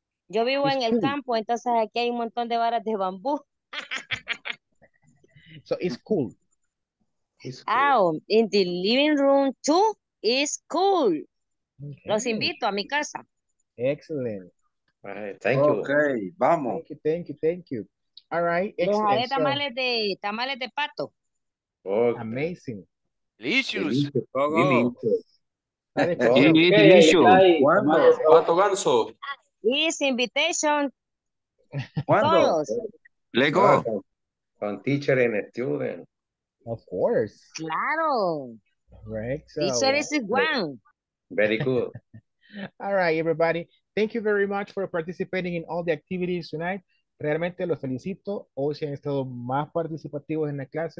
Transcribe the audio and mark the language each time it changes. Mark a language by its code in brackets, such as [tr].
[es] Yo vivo en el campo, entonces aquí hay un montón de varas de bambú. [en] So it's cool. Oh, in the living room too is cool. [es] Okay. Los invito a mi casa. [en] Excellent. All right, thank you. [es] Okay, vamos. [en] Thank you. All right, excellent. [es] Tamales de pato. [en] Okay. Amazing. Delicious. Delicious. [es] Pato ganso. [en] This invitation. [es] ¿Cuándo? [en] Let go. Con teacher and student. Of course. [es] Claro. [en] Right. Teacher is one. Very good. All right, everybody. Thank you very much for participating in all the activities tonight. [es] Realmente los felicito. Hoy se han estado más participativos en la clase.